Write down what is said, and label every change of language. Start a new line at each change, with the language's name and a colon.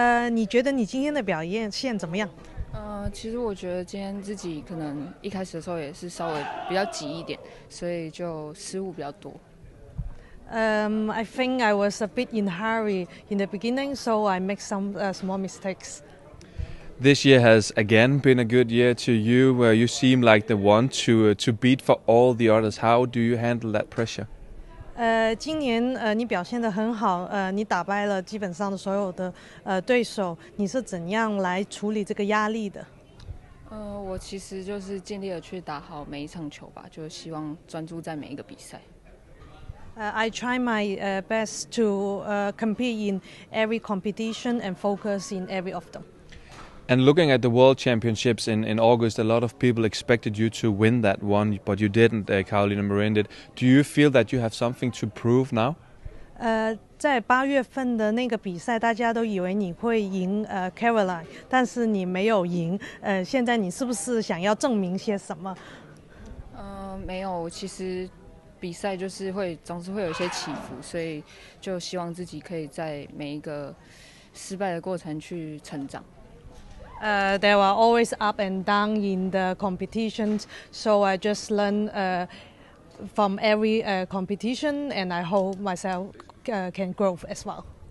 Chinese: 你觉得你今天的表现怎么样？其实我觉得今天自己可能一开始的时候也是稍微比较急一点，所以就失误比较多。
English: I think I was a bit in hurry in the beginning, so I make some small mistakes. This year has again been a good year to you, where you seem like the one to beat for all the others. How do you handle that pressure?
Chinese: 今年你表现得很好，你打败了基本上的所有的对手，你是怎样来处理这个压力的？我其实就是尽力的去打好每一场球吧，就希望专注在每一个比赛。
English: I try my best to compete in every competition and focus in every of them. And looking at the World Championships in August, a lot of people expected you to win that one, but you didn't, Carolina Marin did. Do you feel that you have something to prove now?
Chinese: 在八月份的那个比赛，大家都以为你会赢Caroline, 但是你没有赢。现在你是不是想要证明些什么？没有，其实比赛就是会总是会有一些起伏，所以就希望自己可以在每一个失败的过程去成长。
English: There are always up and down in the competitions, so I just learn from every competition, and I hope myself can grow as well.